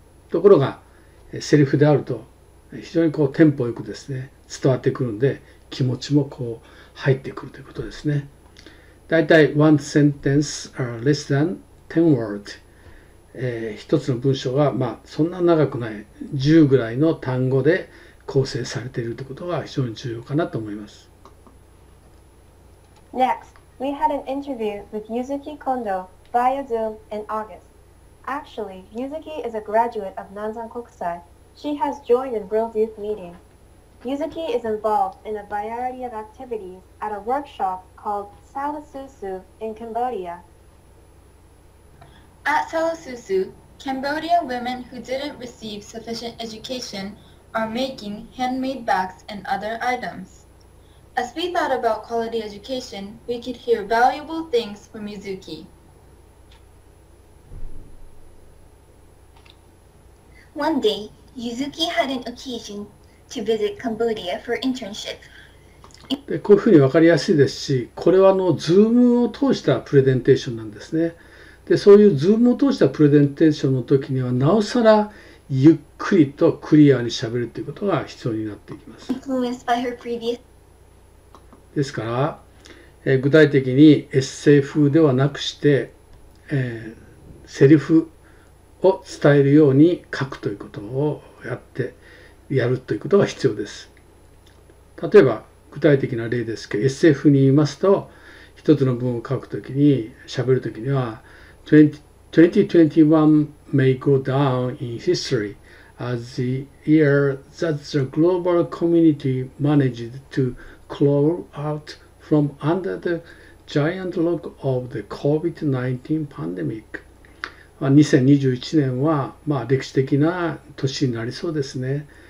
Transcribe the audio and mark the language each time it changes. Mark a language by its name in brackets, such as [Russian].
[Japanese] ところがセリフであると非常にこうテンポよくですね、伝わってくるんで気持ちもこう入ってくるということですね。だいたい [English] one sentence are less than 10 words、 [Japanese] 一つの文章がまあそんな長くない、10ぐらいの単語で構成されているということが非常に重要かなと思います。 [English] Next, we had an interview with Yuzuki Kondo via Zoom in August. Actually, Yuzuki is a graduate of Nanzan Kokusai. She has joined in World Youth Meeting. Yuzuki is involved in a variety of activities at a workshop called Salasusu in Cambodia. At Salasusu, Cambodia women who didn't receive sufficient education are making handmade bags and other items. As we thought about quality education, we could hear valuable things from Yuzuki. One day, Yuzuki had an occasion to visit Cambodia for internship. [Japanese] で、こういうふうに分かりやすいですし、これはZoom を通したプレゼンテーションなんですね。で、そういうZoomを通したプレゼンテーションの時には、なおさらゆっくりとクリアに喋るということが必要になってきます。 [English] Influenced by her previous... [Japanese] ですから、具体的にエッセイ風ではなくして、セリフを伝えるように書くということをやってやるということが必要です。例えば具体的な例ですけど、エッセイ風に言いますと、一つの文を書くときに、喋るときには [English] 2021 may go down in history as the year that the global community managed toclaw out from under the giant log of the COVID-19 pandemic. [Japanese] 2021年は、歴史的な年になりそうですね。